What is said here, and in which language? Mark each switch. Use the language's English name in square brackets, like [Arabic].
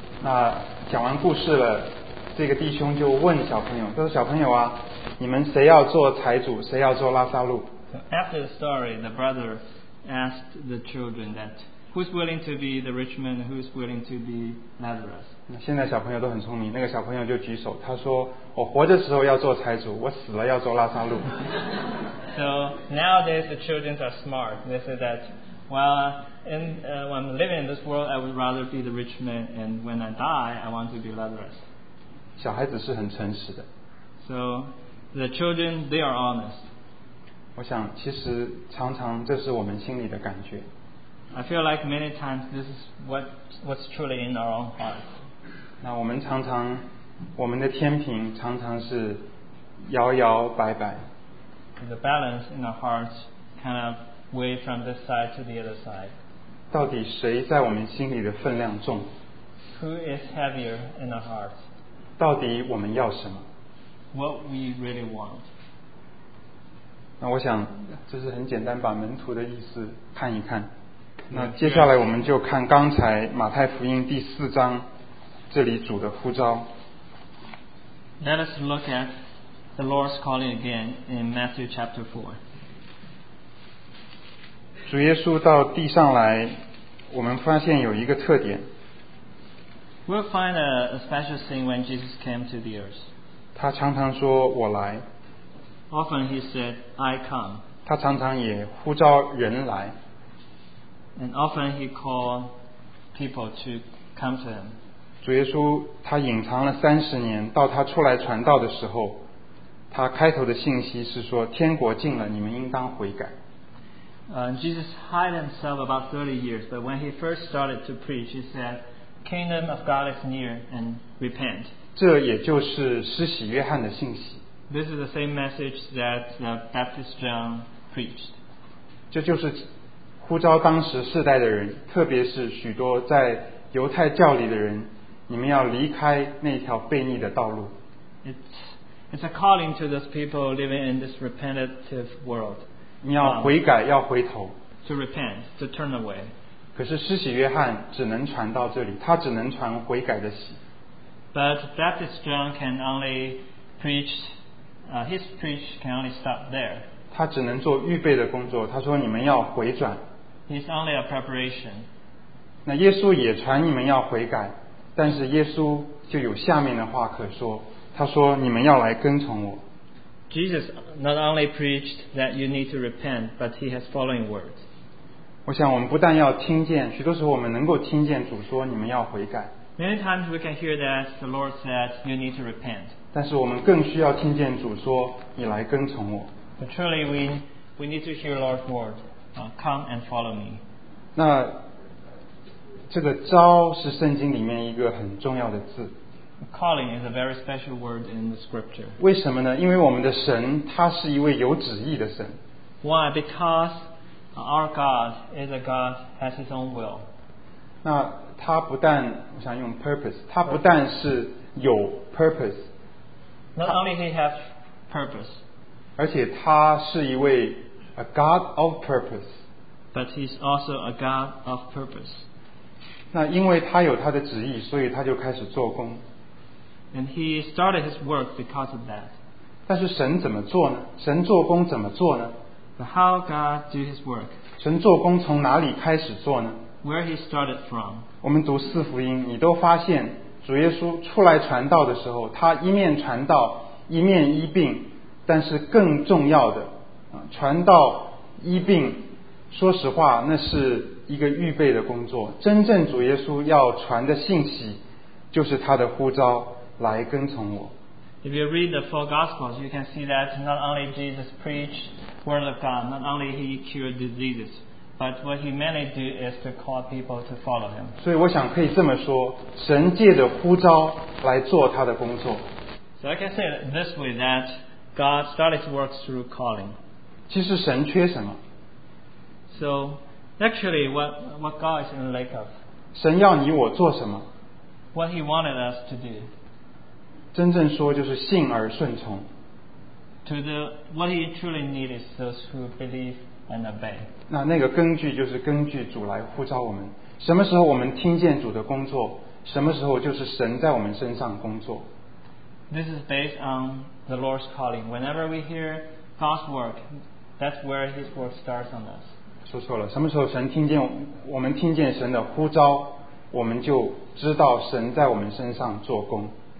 [Chinese] 那讲完故事了，这个弟兄就问小朋友，他说：“小朋友啊，你们谁要做财主，谁要做拉撒路？” [English] So after the story, the brother asked the children that who's willing to be the rich man, who's willing to be Lazarus. [Chinese] 现在小朋友都很聪明，那个小朋友就举手，他说：“我活着时候要做财主，我死了要做拉撒路。” [English] So nowadays the children are smart. They say that, well, in, when I'm living in this world, I would rather be the rich man, and when I die, I want to be Lazarus. [Chinese] 小孩子是很诚实的。 [English] So the children, they are honest. [Chinese] 我想，其实常常这是我们心里的感觉。 [English] I feel like many times this is what's truly in our own heart. [Chinese] 那我们常常，我们的天平常常是摇摇摆摆。 [English] The balance in our hearts kind of wave from this side to the other side. [Chinese] 到底谁在我们心里的分量重？ [English] Who is heavier in our hearts? [Chinese] 到底我们要什么？ [English] What we really want. [Chinese] 那我想，这是很简单，把门徒的意思看一看。那接下来我们就看刚才马太福音第四章这里主的呼召。 [English] Let us look at the Lord's calling again in Matthew chapter 4. [Chinese] 主耶稣到地上来，我们发现有一个特点。 [English] We'll find a special thing when Jesus came to the earth. [Chinese] 他常常说我来。 [English] Often he said, I come. [Chinese] 他常常也呼召人来。 [English] And often he called people to come to him. [Chinese] 主耶稣他隐藏了三十年，到他出来传道的时候，他开头的信息是说：“天国近了，你们应当悔改。” [English] Jesus hid himself about 30 years, but when he first started to preach, he said, "Kingdom of God is near, and repent." [Chinese] 这也就是施洗约翰的信息。 [English] This is the same message that the Baptist John preached. [Chinese] 这就是。呼召当时世代的人，特别是许多在犹太教里的人，你们要离开那条悖逆的道路。 [English] It's a calling to those people living in this repentative world. [Chinese] 你要悔改，要回头。 [English] To repent, to turn away. [Chinese] 可是施洗约翰只能传到这里，他只能传悔改的喜。 [English] But Baptist John can only preach, his preach can only stop there. [Chinese] 他只能做预备的工作，他说你们要回转。 [English] He's only a preparation. [Chinese] 那耶稣也传你们要悔改，但是耶稣就有下面的话可说。他说：“你们要来跟从我。” [English] Jesus not only preached that you need to repent, but he has following words. [Chinese] 我想我们不但要听见，许多时候我们能够听见主说你们要悔改。 [English] Many times we can hear that the Lord said you need to repent. [Chinese] 但是我们更需要听见主说你来跟从我。 [English] But truly, we need to hear Lord's word. Come and follow me. [Chinese] 那这个召是圣经里面一个很重要的字。 [English] Calling is a very special word in the scripture. [Chinese] 为什么呢？因为我们的神他是一位有旨意的神。 [English] Why? Because our God is a God who has his own will. [Chinese] 那他不但我想用 purpose， 他不但是有 purpose。 [English] Not only he has purpose. [Chinese] 而且他是一位。 [English] A God of purpose. But he's also a God of purpose. [Chinese] 那因为他有他的旨意，所以他就开始做工。 [English] And he started his work because of that. [Chinese] 但是神怎么做呢？神做工怎么做呢？ [English] But how God do his work? [Chinese] 神做工从哪里开始做呢？ [English] Where he started from? [Chinese] 我们读四福音，你都发现主耶稣出来传道的时候，他一面传道，一面医病，但是更重要的传道医病，说实话，那是一个预备的工作。真正主耶稣要传的信息，就是他的呼召，来跟从我。 [English] If you read the four Gospels, you can see that not only Jesus preached word of God, not only he cured diseases, but what he mainly do is to call people to follow him. [Chinese] 所以我想可以这么说，神借着呼召来做他的工作。 [English] So I can say this way that God started his work through calling. [Chinese] 其实神缺什么？ [English] So actually what God is in the lack of? [Chinese] 神要你我做什么？ [English] What he wanted us to do? [Chinese] 真正说就是信而顺从。 [English] To the what he truly needs is those who believe and obey. [Chinese] 那个根据就是根据主来呼召我们，什么时候我们听见主的工作，什么时候就是神在我们身上工作。 [English] This is based on the Lord's calling. Whenever we hear God's work, that's where His work starts on us. [Chinese] 说错了，什么时候神听见我们听见神的呼召，我们就知道神在我们身上做工。